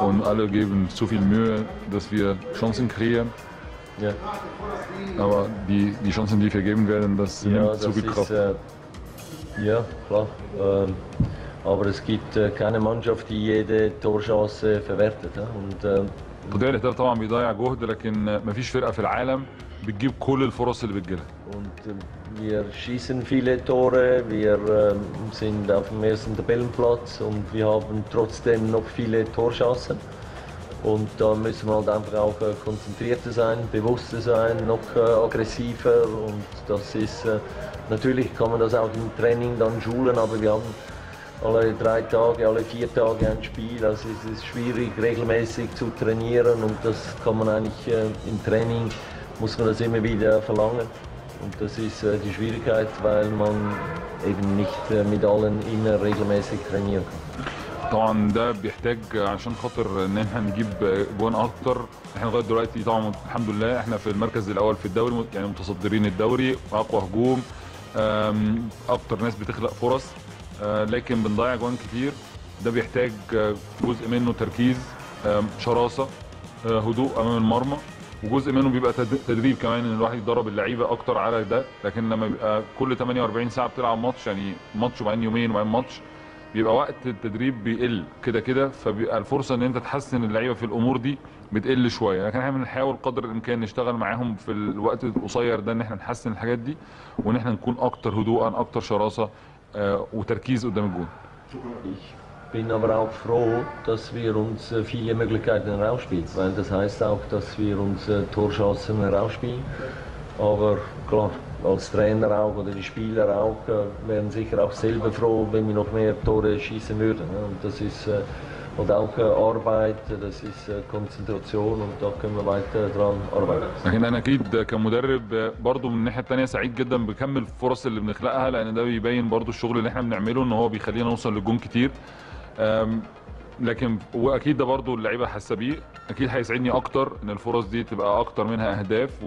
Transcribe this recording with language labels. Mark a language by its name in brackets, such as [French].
[German] Und alle geben zu viel Mühe, dass wir Chancen kreieren. Ja. Aber die Chancen, die vergeben werden, das sind ja, zu viel Kraft. Ja, klar. Aber es gibt keine Mannschaft, die jede Torchance verwertet. Und, [Arabic] وده طبعا بيضيع جهد لكن مفيش فرقه في العالم بتجيب كل الفرص اللي بتجيلها. [German] Und wir schießen viele Tore, wir sind auf dem ersten Tabellenplatz und wir haben trotzdem noch viele Torchancen. Und da müssen wir halt einfach auch konzentrierter sein, bewusster sein, noch aggressiver. Und das ist natürlich kann man das auch im Training dann schulen, aber wir haben alle 3 Tage, alle 4 Tage ein Spiel. Also es ist schwierig, regelmäßig zu trainieren und das kann man eigentlich im Training, muss man das immer wieder verlangen. Und das ist die Schwierigkeit, weil man eben nicht mit allen immer regelmäßig trainieren kann. [Arabic] طبعا ده بيحتاج عشان خاطر ان احنا نجيب جوان اكتر. احنا لغايه دلوقتي طبعا الحمد لله احنا في المركز الاول في الدوري، يعني متصدرين الدوري، اقوى هجوم، اكتر ناس بتخلق فرص، لكن بنضيع جوان كتير. ده بيحتاج جزء منه تركيز، شراسه، هدوء امام المرمى، وجزء منه بيبقى تدريب كمان، ان الواحد يدرب اللعيبه اكتر على ده. لكن لما بيبقى كل 48 ساعه بتلعب ماتش، يعني ماتش وبعدين يومين وبعدين ماتش، بيبقى وقت التدريب بيقل كده كده، فبيبقى الفرصه ان انت تحسن اللعيبه في الامور دي بتقل شويه. لكن احنا بنحاول قدر الامكان نشتغل معاهم في الوقت القصير ده، ان احنا نحسن الحاجات دي، وان احنا نكون اكتر هدوءا، اكتر شراسه وتركيز قدام الجون. [German] Ich bin aber auch froh, dass wir uns viele Möglichkeiten herausspielen, weil das heißt auch, dass wir uns Torchancen herausspielen. Aber klar, als Trainer auch oder die Spieler auch wären sicher auch selber froh, wenn wir noch mehr Tore schießen würden. Und das ist und auch Arbeit, das ist Konzentration und da können wir weiter dran arbeiten. [Arabic] لكن أنا أكيد كمدرب برضو من الناحية التانية سعيد جدا بكم الفرص اللي بنخلقها، لأن ده بيبين برضو الشغل اللي احنا بنعمله، إن هو بيخلينا نوصل للجون كتير. لكن واكيد ده برضه اللعيبه حاسه بيه، اكيد هيسعدني اكتر ان الفرص دي تبقى اكتر منها اهداف.